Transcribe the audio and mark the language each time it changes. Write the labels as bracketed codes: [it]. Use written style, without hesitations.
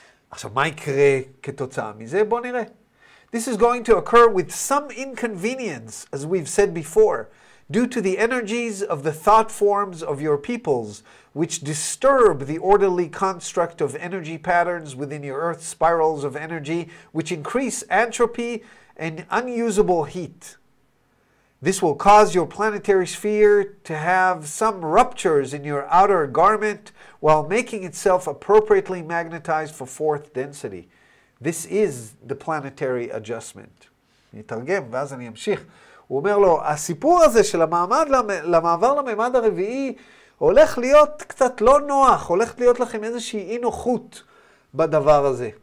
[he] עכשיו, מה יקרה כתוצאה מזה? בוא נראה. [en] This is going to occur with some inconvenience, as we've said before, due to the energies of the thought forms of your peoples, which disturb the orderly construct of energy patterns within your Earth's spirals of energy, which increase entropy and unusable heat. This will cause your planetary sphere to have some ruptures in your outer garment while making itself appropriately magnetized for fourth density. This is the planetary adjustment. [he] אני אתרגם ואז אני אמשיך. הוא אומר לו, הסיפור הזה של המעמד למעבר לממד הרביעי הולך להיות קצת לא נוח, הולך להיות לכם איזושהי אינוחות בדבר הזה.